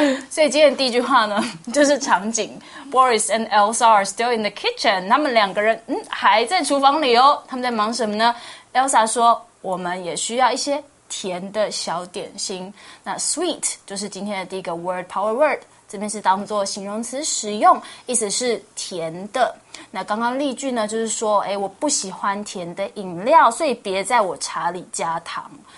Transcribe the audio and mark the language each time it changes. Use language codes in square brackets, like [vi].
[zh] 所以今天第一句话呢，就是场景。 [en] Boris and Elsa are still in the kitchen. [zh] 他们两个人，还在厨房里哦。他们在忙什么呢 ？Elsa 说：“我们也需要一些甜的小点心。”那 sweet 就是今天的第一个 word power word。这边是当作形容词使用，意思是甜的。那刚刚例句呢，就是说，哎，我不喜欢甜的饮料，所以别在我茶里加糖。